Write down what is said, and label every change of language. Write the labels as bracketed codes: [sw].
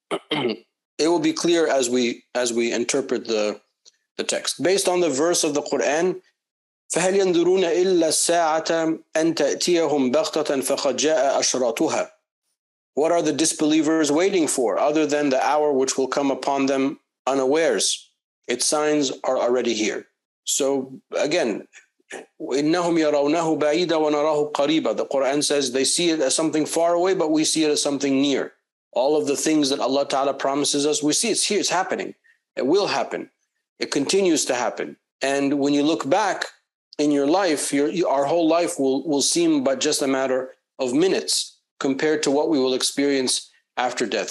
[en] It will be clear as we interpret the text based on the verse of the Quran. [ar] فَهَلْ يَنْذُرُونَ إِلَّا السَّاعَةَ أَن تَأْتِيَهُمْ بَغْتَةً فَقَدْ جَاءَ أَشْرَاطُهَا. [en] What are the disbelievers waiting for other than the hour which will come upon them unawares? Its signs are already here. So again, [ar] إِنَّهُمْ يَرَوْنَهُ بَعِيدًا وَنَرَاهُ قَرِيبًا. [en] The Quran says they see it as something far away, but we see it as something near. All of the things that Allah Ta'ala promises us, we see it's here, it's happening. It will happen. It continues to happen. And when you look back in your life, our whole life will seem but just a matter of minutes compared to what we will experience after death.